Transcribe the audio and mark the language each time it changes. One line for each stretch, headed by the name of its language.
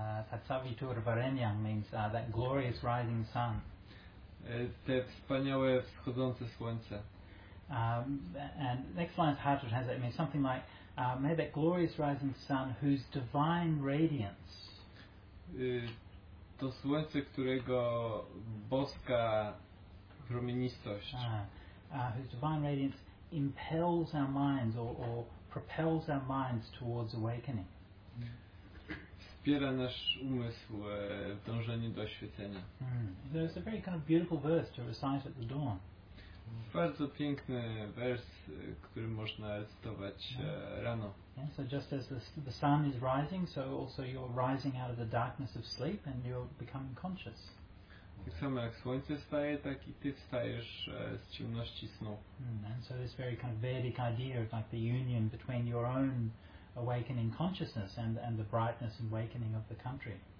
English: Tatsavitur-varenyam means that glorious rising sun.
Polish: Te wspaniałe wschodzące słońce.
English: And next line is Hartrud has it, means something like may that glorious rising sun whose divine radiance
Polish: to słońce, którego boska promienistość
English: whose divine radiance impels our minds or propels our minds towards awakening,
Polish: wspiera nasz umysł w dążeniu do oświecenia.
English: There's a very kind of beautiful verse to recite at the dawn.
Polish: Bardzo piękny wers, który można recytować rano.
English: Yeah, so just as the sun is rising, so also you're rising out of the darkness of sleep and you're becoming conscious.
Polish: Tak samo jak słońce staje, tak i ty wstajesz z ciemności snu.
English: And so this very kind of Vedic idea of like the union between your own awakening consciousness and the brightness and awakening of the country.